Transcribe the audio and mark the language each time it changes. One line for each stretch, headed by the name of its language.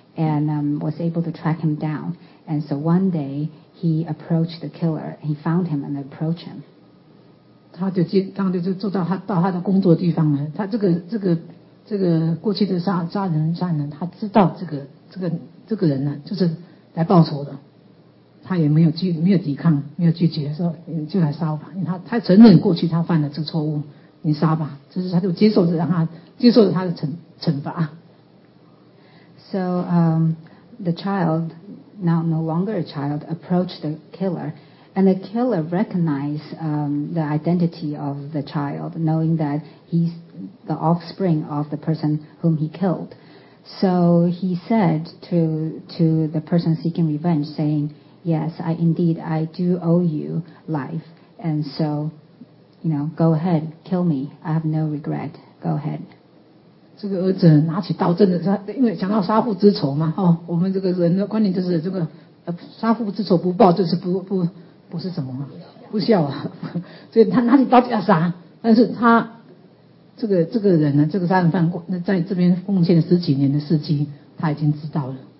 English: And was able to track him down. And so one day, he approached the killer. He found him and approached him.
Chinese: 他就当然就做到他的工作地方了。他这个过去的杀人，他知道这个人呢，就是来报仇的。他也没有抵抗，没有拒绝，说就来杀吧。他承认过去他犯了这错误，你杀吧。就是他就接受着他的惩罚。
English: So the child, now no longer a child, approached the killer, and the killer recognized the identity of the child, knowing that he's the offspring of the person whom he killed. So he said to the person seeking revenge, saying, yes, indeed, I do owe you life, and so, you know, go ahead, kill me. I have no regret. Go ahead.
Chinese: 这个儿子拿起刀，真的，他因为想要杀父之仇嘛，哦，我们这个人的观念就是这个，杀父之仇不报，就是不是什么，不孝啊。所以他拿起刀就要杀，但是他这个人呢，这个杀人犯在这边奉献了十几年的事迹，他已经知道了。